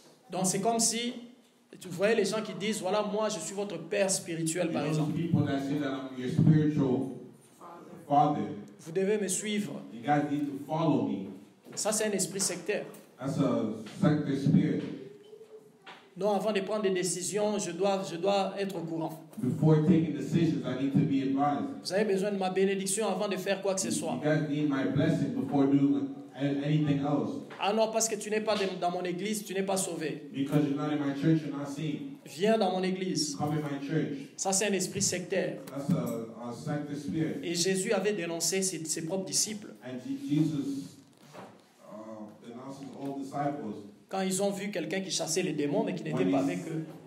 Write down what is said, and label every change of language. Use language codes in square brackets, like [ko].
[fr] Donc c'est comme si tu voyais les gens qui disent voilà moi je suis votre père spirituel par exemple. [en] You know, people that say that I'm your spiritual father. [fr] Vous devez me suivre. [en] You guys need to follow me. [fr] Ça c'est un esprit sectaire. [en] That's a sectaire spirit. [fr] Non, avant de prendre des décisions, je dois être au courant. [en] Before taking decisions, I need to be advised. [fr] Vous avez besoin de ma bénédiction avant de faire quoi que ce soit. [en] You guys need my blessing before doing anything else. [fr] Ah non, parce que tu n'es pas dans mon église, tu n'es pas sauvé. [en] Because you're not in my church, you're not seen. [fr] Viens dans mon église. [en] Come in my church. [fr] Ça, c'est un esprit sectaire. [en] That's a sectaire spirit. [fr] Et Jésus avait dénoncé ses propres disciples. [en] And Jesus denounced all disciples. [fr] Quand ils ont vu quelqu'un qui chassait les démons mais qui n'était pas avec eux.